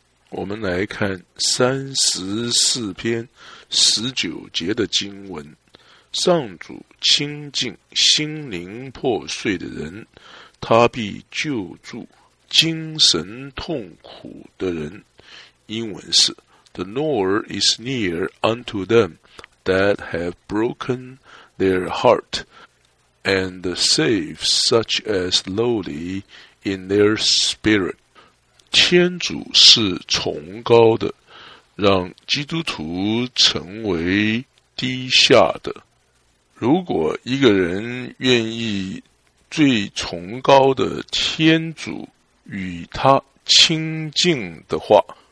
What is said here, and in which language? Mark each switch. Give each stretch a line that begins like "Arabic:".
Chinese: 我们来看34篇19节的经文，上主亲近心灵破碎的人，他必救助精神痛苦的人。
English: 英文是 The Lord is near unto them that have broken their heart,and save such as lowly in their spirit.
Chinese: 天主是崇高的，让基督徒成为低下的。如果一个人愿意最崇高的天主与他亲近的话，